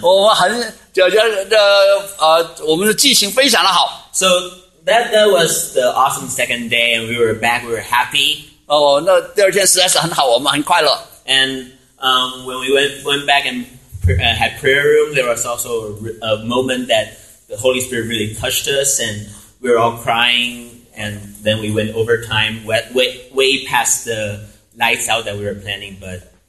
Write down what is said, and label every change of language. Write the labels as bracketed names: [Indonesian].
[Chinese] 我们很,我们的记性非常的好。 [English] So that was the awesome second day, and we were back, we were happy. [Chinese] 那第二天实在是很好,我们很快乐。 [English] And when we went back and had prayer room, there was also a moment that the Holy Spirit really touched us and we were all crying, and then we went over time way past the lights out that we were planning, but